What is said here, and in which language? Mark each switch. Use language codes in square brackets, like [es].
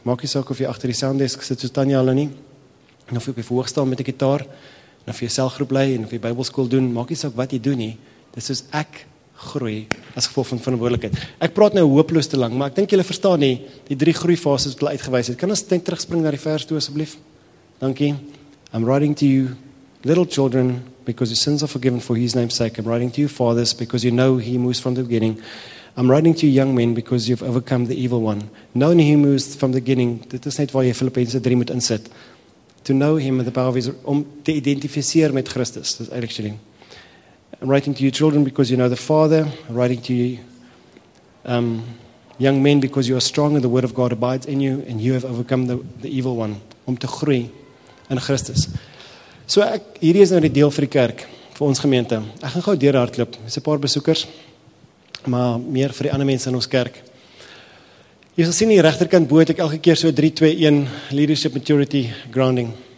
[af] Maak jy saak of jy achter die sounddesk sit soos Tanya hulle nie, en of jy op jy voorstel met die gitaar, en of jy selgroep lei, en of jy bybelskool doen, maak jy saak wat jy doen nie, dit is soos ek groei as gevolg van verantwoordelikheid. Ek praat nou hooploos te lang, maar ek dink jy verstaan nie die drie groeifases wat hulle uitgewys het. Kan ons net terugspring na die vers toe asseblief? Dankie. [en] I'm writing to you, little children, because your sins are forgiven for his name's sake. I'm writing to you, fathers, because you know him who is from the beginning. I'm writing to you, young men, because you've overcome the evil one. Knowing him who is from the beginning, [af] dit is net waar jy Filippense 3 moet insit. [en] To know him with the power of his, [af] om te identifiseer met Christus. Dit is eigenlijk sê. [en] I'm writing to you, children, because you know the Father. I'm writing to you, young men, because you are strong and the word of God abides in you and you have overcome the evil one. [af] Om te groei in Christus. So ek, hierdie is nou die deel vir die kerk, vir ons gemeente. Ek gaan gauw deur hardloop, is 'n paar besoekers, maar meer vir die ander mense in ons kerk. Jy sal sien die regterkant bo, het ek elke keer so 3, 2, 1, leadership, maturity, grounding.